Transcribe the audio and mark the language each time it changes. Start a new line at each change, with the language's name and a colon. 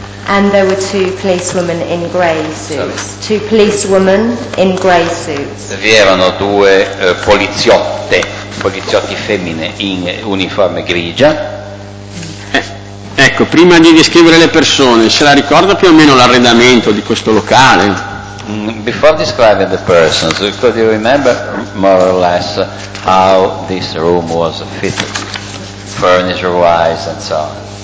English: And there were two policewomen in grey suits. Two policewomen in grey suits.
Italian: Vi erano due poliziotti femmine in uniforme grigia. Ecco, prima di descrivere le persone, se la ricorda più o meno l'arredamento di questo locale?
English: Before describing the persons, could you remember more or less how this room was fitted, furniture-wise and so on?